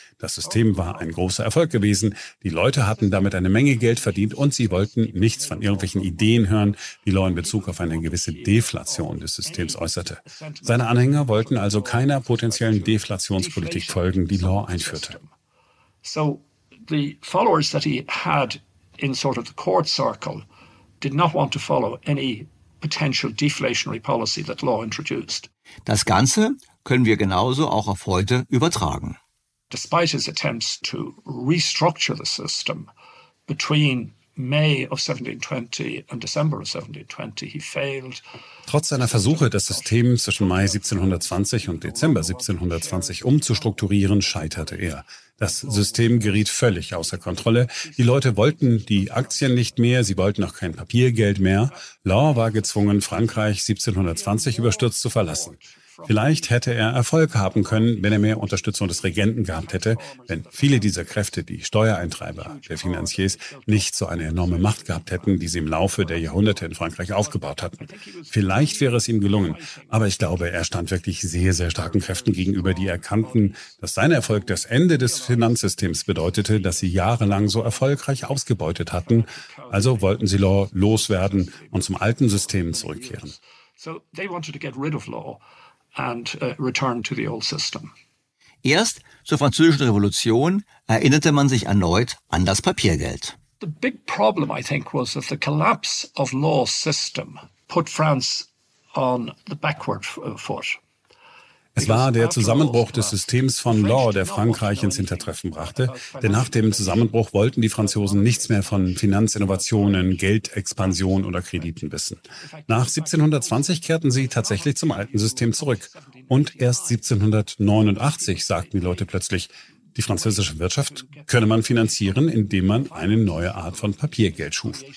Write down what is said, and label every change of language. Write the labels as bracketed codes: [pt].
[de] Das System war ein großer Erfolg gewesen. Die Leute hatten damit eine Menge Geld verdient und sie wollten nichts von irgendwelchen Ideen hören, die Law in Bezug auf eine gewisse Deflation des Systems äußerte. Seine Anhänger wollten also keiner potenziellen Deflationspolitik folgen, die Law einführte. [en] So the followers that he had in sort of the court circle did not want to follow any potential deflationary policy that Law introduced. [de] Das Ganze können wir genauso auch auf heute übertragen. [en] Despite his attempts to restructure the system between May of 1720 and December of 1720, he failed. [de] Trotz seiner Versuche, das System zwischen Mai 1720 und Dezember 1720 umzustrukturieren, scheiterte er. Das System geriet völlig außer Kontrolle. Die Leute wollten die Aktien nicht mehr, sie wollten auch kein Papiergeld mehr. Law war gezwungen, Frankreich 1720 überstürzt zu verlassen. Vielleicht hätte er Erfolg haben können, wenn er mehr Unterstützung des Regenten gehabt hätte, wenn viele dieser Kräfte, die Steuereintreiber, der Finanziers, nicht so eine enorme Macht gehabt hätten, die sie im Laufe der Jahrhunderte in Frankreich aufgebaut hatten. Vielleicht wäre es ihm gelungen, aber ich glaube, er stand wirklich sehr, sehr starken Kräften gegenüber, die erkannten, dass sein Erfolg das Ende des Finanzsystems bedeutete, das sie jahrelang so erfolgreich ausgebeutet hatten. Also wollten sie Law loswerden und zum alten System zurückkehren. [en] So, they wanted to get rid of Law. And return to the old system. [de] Erst zur Französischen Revolution erinnerte man sich erneut an das Papiergeld. [en] The big problem, I think, was that the collapse of Law's system put France on the backward foot. [de] Es war der Zusammenbruch des Systems von Law, der Frankreich ins Hintertreffen brachte. Denn nach dem Zusammenbruch wollten die Franzosen nichts mehr von Finanzinnovationen, Geldexpansion oder Krediten wissen. Nach 1720 kehrten sie tatsächlich zum alten System zurück. Und erst 1789 sagten die Leute plötzlich, die französische Wirtschaft könne man finanzieren, indem man eine neue Art von Papiergeld schuf.